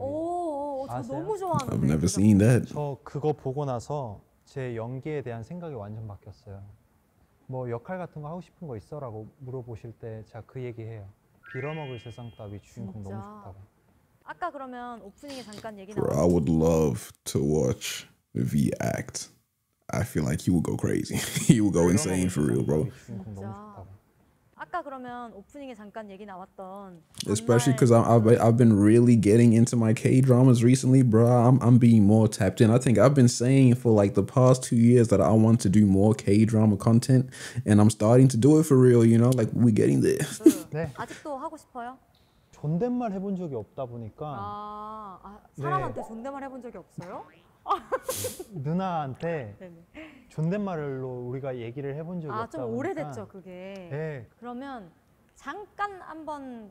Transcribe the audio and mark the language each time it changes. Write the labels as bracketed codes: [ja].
[ko] 오, 저 너무 좋아하는데. [en] I've never seen that. [ko] 저 그거 보고 나서 제 연기에 대한 생각이 완전 바뀌었어요. 뭐 역할 같은 거 하고 싶은 거 있어? 라고 물어보실 때 제가 그 얘기해요. 빌어먹을 세상 따위 주인공 진짜? 너무 좋다고. 아까 그러면 오프닝에 잠깐 얘기 나왔어요. [en] I would love to watch V act. I feel like he would go crazy. He would go insane for real, bro. [ko] 주인공 너무 좋다고. 아까 그러면 오프닝에 잠깐 얘기 나왔던 [en] Especially because I've been really getting into my K-dramas recently, bro. I'm being more tapped in. I think I've been saying for like the past 2 years that I want to do more K-drama content and I'm starting to do it for real, you know? Like, we're getting there. [ko] 네. 아직도 하고 싶어요? 존댓말 해본 적이 없다 보니까 아, 사람한테 네. 존댓말 해본 적이 없어요? 누나한테 존댓말로 우리가 얘기를 해본 적이 아, 없다 보니까 아, 좀 오래됐죠, 그게. 네. 그러면 잠깐 한번